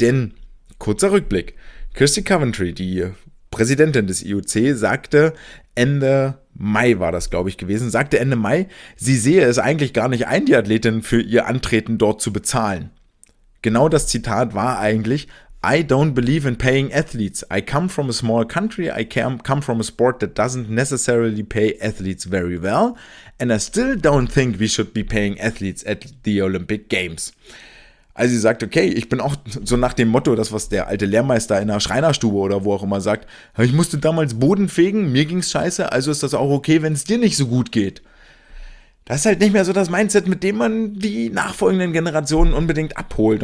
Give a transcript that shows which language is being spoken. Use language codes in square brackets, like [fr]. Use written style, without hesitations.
[de] Denn, kurzer Rückblick, Kirsty Coventry, die Präsidentin des IOC, sagte Ende Mai, sie sehe es eigentlich gar nicht ein, die Athletin für ihr Antreten dort zu bezahlen. Genau das Zitat war eigentlich, [en] I don't believe in paying athletes. I come from a small country. I come from a sport that doesn't necessarily pay athletes very well. And I still don't think we should be paying athletes at the Olympic Games. [de] Also sie sagt, okay, ich bin auch so nach dem Motto, das was der alte Lehrmeister in der Schreinerstube oder wo auch immer sagt, ich musste damals Boden fegen, mir ging's scheiße, also ist das auch okay, wenn es dir nicht so gut geht. Das ist halt nicht mehr so das Mindset, mit dem man die nachfolgenden Generationen unbedingt abholt.